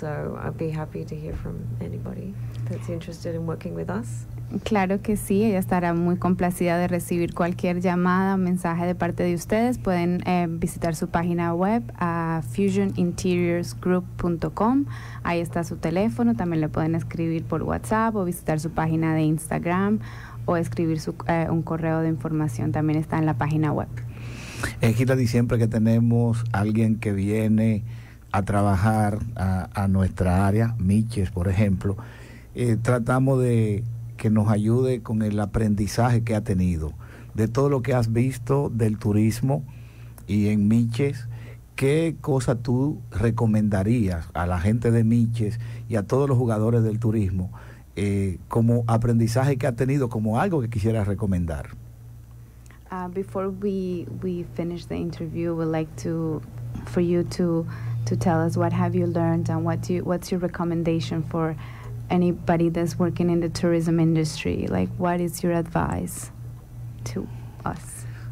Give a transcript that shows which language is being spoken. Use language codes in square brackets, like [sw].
[en] So I'd be happy to hear from anybody that's interested in working with us. [es] Claro que sí, ella estará muy complacida de recibir cualquier llamada o mensaje de parte de ustedes. Pueden visitar su página web a fusioninteriorsgroup.com. Ahí está su teléfono, también le pueden escribir por WhatsApp o visitar su página de Instagram o escribir un correo de información, también está en la página web. Es que siempre que tenemos alguien que viene a trabajar a nuestra área, Miches, por ejemplo, tratamos de que nos ayude con el aprendizaje que ha tenido, de todo lo que has visto del turismo y en Miches. ¿Qué cosa tú recomendarías a la gente de Miches y a todos los jugadores del turismo como aprendizaje que ha tenido, como algo que quisieras recomendar? [en] Before we finish the interview, we'd like for you to tell us what have you learned and what's your recommendation for anybody that's working in the tourism industry, like what is your advice to us?